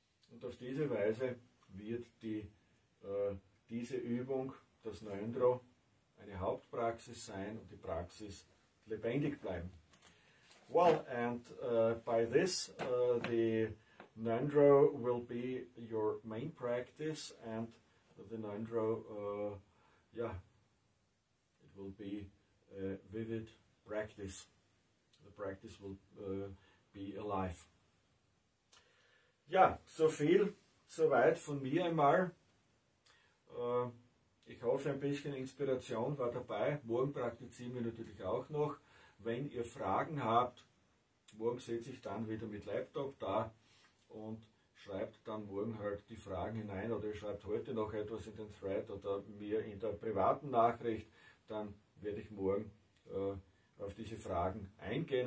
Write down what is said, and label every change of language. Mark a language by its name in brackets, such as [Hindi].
[German] Und auf diese Weise wird diese Übung, das Ngondro, eine Hauptpraxis sein und die Praxis lebendig bleiben. [English] Well, and by this, the Ngondro will be your main practice, and the Ngondro, yeah, it will be a vivid practice. The practice will be alive. [German] Ja, so viel, so weit von mir einmal. Ich hoffe, ein bisschen Inspiration war dabei. Morgen praktizieren wir natürlich auch noch. Wenn ihr Fragen habt, morgen sitze ich dann wieder mit Laptop da und schreibt dann morgen halt die Fragen hinein oder ihr schreibt heute noch etwas in den Thread oder mir in der privaten Nachricht, dann werde ich morgen auf diese Fragen eingehen.